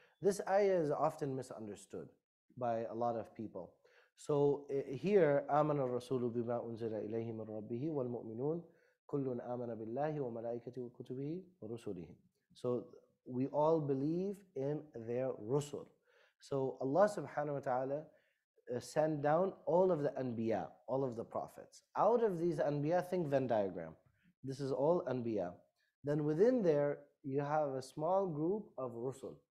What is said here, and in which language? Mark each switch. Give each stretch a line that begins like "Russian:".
English: This ayah is often misunderstood by a lot of people. So here,
Arabic: آمن الرسول بما أنزل إليه من ربه والمؤمنون كل آمن بالله وملائكته وكتبه ورسله.
English: So we all believe in their rusul. So Allah subhanahu wa ta'ala sent down all of the anbiya, all of the prophets. Out of these anbiya, think Venn diagram. This is all anbiya. Then within there, you have a small group of rusul.